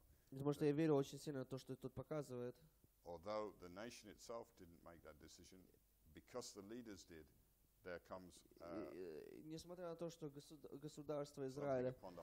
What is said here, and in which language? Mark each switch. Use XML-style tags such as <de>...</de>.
<ru>Потому что я верю очень сильно в то, что тут показывает.</ru> <en>Although the nation itself didn't make that decision, because the leaders did, there comes</en> <ru>несмотря на то, что государство Израиля</ru>